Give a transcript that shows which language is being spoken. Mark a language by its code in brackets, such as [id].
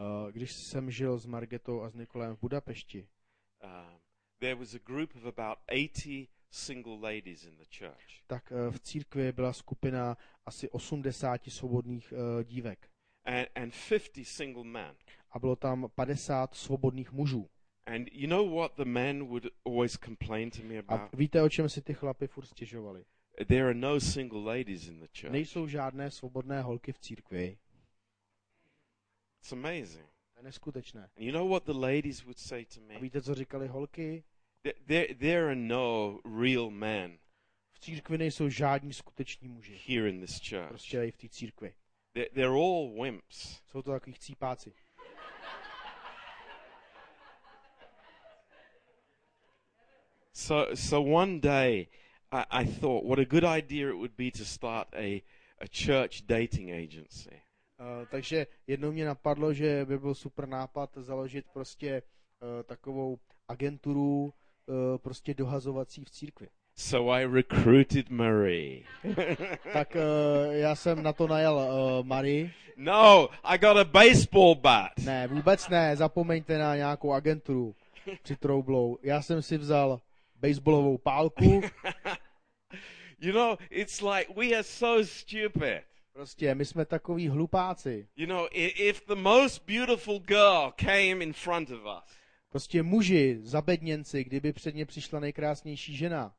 [cs] Když jsem žil s Margetou a s Nikolem v Budapešti. [en] There was a group of about 80 single ladies in the church. [cs] Tak v církvi byla skupina asi 80 svobodných dívek. [en] And 50 single men. [cs] A bylo tam 50 svobodných mužů. [en] And you know what the men would always complain to me about? [cs] A víte, o čem si ty chlapi furt stěžovali? [en] There are no single ladies in the church. [cs] Nejsou žádné svobodné holky v církvi. [en] It's amazing. [cs] To je neskutečné. [en] And you know what the ladies would say to me? [cs] A víte, co říkali holky? [en] There are no real men. [cs] V církvi nejsou žádní skuteční muži. [en] Here in this church. [cs] Prostě i v té církvi. [en] They're all wimps. [cs] Jsou to takový chcípáci. [en] So one day I thought what a good idea it would be to start a church dating agency. [cs] Takže jednou mě napadlo, že by byl super nápad založit prostě takovou agenturu prostě dohazovací v církvi. [en] So I recruited Marie. [cs] Tak já jsem na to najal Marie. [en] No, I got a baseball bat. [cs] Ne, vůbec ne, zapomeňte na nějakou agenturu při troublou. Já jsem si vzal baseballovou pálku. [en] You know, it's like we are so stupid. [cs] Prostě, my jsme takoví hlupáci. [en] You know, if the most beautiful girl came in front of us. [cs] Prostě muži, zabedněnci, kdyby před ně přišla nejkrásnější žena.